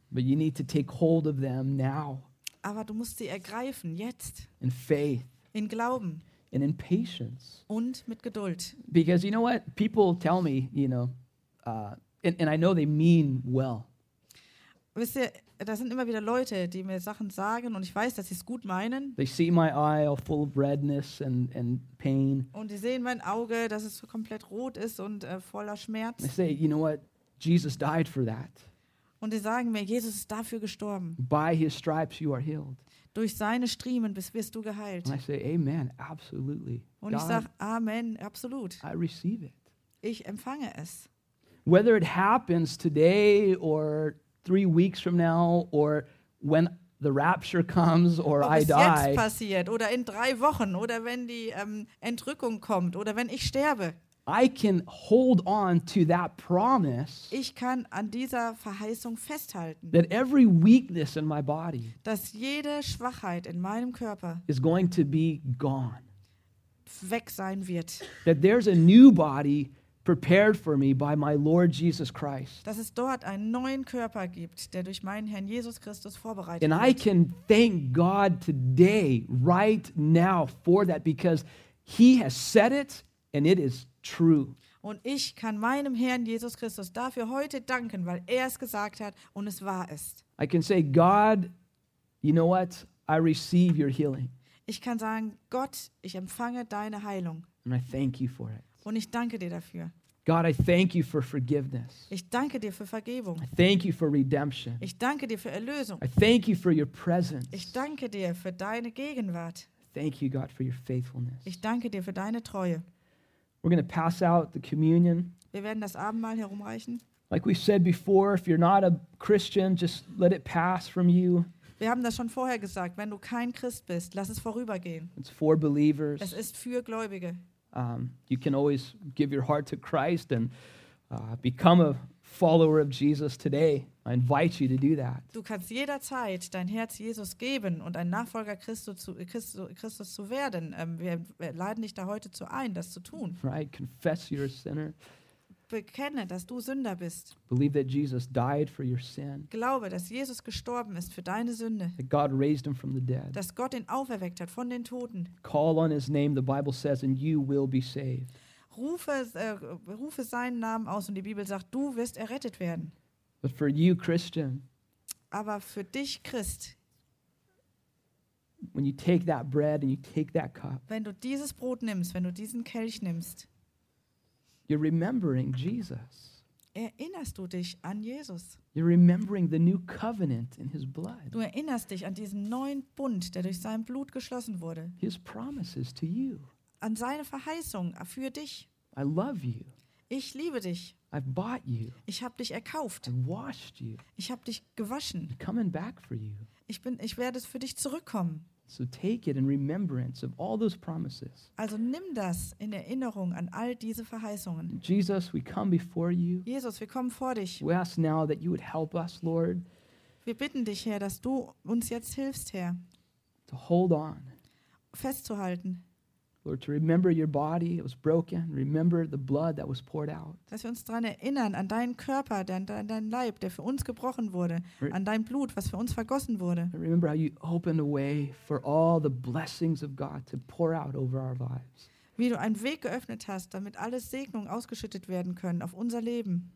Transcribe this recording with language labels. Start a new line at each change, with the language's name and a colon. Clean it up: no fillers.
English: But you need to take hold of them now.
German: Aber du musst sie ergreifen jetzt.
English: In faith.
German: In Glauben.
English: And in patience.
German: Und mit Geduld.
English: Because you know what? People tell me, you know, and I know they mean well.
German: Wisst ihr, da sind immer wieder Leute, die mir Sachen sagen und ich weiß, dass sie es gut meinen.
English: They see my eye all full of redness and pain.
German: Und sie sehen mein Auge, dass es komplett rot ist und voller Schmerz.
English: They say, you know what? Jesus died for that.
German: Und sie sagen mir, Jesus ist dafür gestorben.
English: By his stripes you are healed.
German: Durch seine Striemen wirst du geheilt.
English: And I say, amen, absolutely.
German: Und God, ich sage, amen, absolut.
English: I receive it.
German: Ich empfange es.
English: Whether it happens today or 3 weeks from now, or when the rapture comes, or
German: ob
English: I die.
German: Ob es jetzt passiert, oder in 3 Wochen, oder wenn die Entrückung kommt, oder wenn ich sterbe.
English: I can hold on to that promise.
German: Ich kann an dieser Verheißung festhalten.
English: That every weakness in my body.
German: Dass jede Schwachheit in meinem Körper.
English: Is going to be gone.
German: Weg sein wird.
English: That there's a new body. Prepared for me by my Lord Jesus Christ.
German: Dass es dort einen neuen Körper gibt, der durch meinen Herrn Jesus Christus vorbereitet
English: wird. And I can thank God today, right now, for that, because he has said it and it is true.
German: Und ich kann meinem Herrn Jesus Christus dafür heute danken, weil es gesagt hat und es wahr ist.
English: I can say, God, you know what? I receive your healing.
German: Ich kann sagen, Gott, ich empfange deine Heilung.
English: And I thank you for it.
German: Und ich danke dir dafür.
English: God, I thank you for forgiveness.
German: Ich danke dir für Vergebung.
English: I thank you for redemption.
German: Ich danke dir für Erlösung.
English: I thank you for your presence.
German: Ich danke dir für deine Gegenwart.
English: Thank you, God, for your faithfulness.
German: Ich danke dir für deine Treue.
English: We're going to pass out the communion.
German: Wir werden das Abendmahl herumreichen.
English: Like we said before, if you're not a Christian, just let it pass from you.
German: Wir haben das schon vorher gesagt, wenn du kein Christ bist, lass es vorübergehen.
English: It's for believers.
German: Es ist für Gläubige.
English: You can always give your heart to Christ and become a follower of Jesus today. I invite you to do that.
German: Du kannst jederzeit dein Herz Jesus geben und ein Nachfolger Christus zu werden. Wir laden dich da heute zu ein, das zu tun.
English: Right, confess you're a sinner.
German: Bekenne, dass du Sünder bist.
English: Believe that Jesus died for your sin.
German: Glaube, dass Jesus gestorben ist für deine Sünde.
English: That God raised him from the dead.
German: Dass Gott ihn auferweckt hat von den Toten.
English: Call on his name, the Bible says, and you will be saved.
German: Rufe seinen Namen aus und die Bibel sagt, du wirst errettet werden.
English: But for you, Christian.
German: Aber für dich, Christ.
English: When you take that bread and you take that cup.
German: Wenn du dieses Brot nimmst, wenn du diesen Kelch nimmst.
English: You're remembering Jesus.
German: Erinnerst du dich an Jesus?
English: You're remembering the new covenant in his blood.
German: Du erinnerst dich an diesen neuen Bund, der durch sein Blut geschlossen wurde.
English: His promises to you.
German: An seine Verheißung für dich.
English: I love you.
German: Ich liebe dich.
English: I've bought you.
German: Ich habe dich erkauft.
English: I washed you.
German: Ich habe dich gewaschen.
English: I'm coming back for you.
German: Ich werde für dich zurückkommen.
English: So take it in remembrance of all those promises.
German: Also nimm das in Erinnerung an all diese Verheißungen.
English: Jesus, we come before you.
German: Jesus, wir kommen vor dich.
English: We ask now that you would help us, Lord.
German: Wir bitten dich, Herr, dass du uns jetzt hilfst, Herr.
English: To hold on.
German: Festzuhalten.
English: Lord, to remember your body that was broken, remember the blood that was poured out.
German: Dass wir uns dran erinnern an deinen Körper, dein Leib, der für uns gebrochen wurde, an dein Blut, was für uns vergossen wurde.
English: And remember how you opened a way for all the blessings of God to pour out over our lives.
German: Wie du einen Weg geöffnet hast, damit alle Segnungen ausgeschüttet werden können auf unser Leben.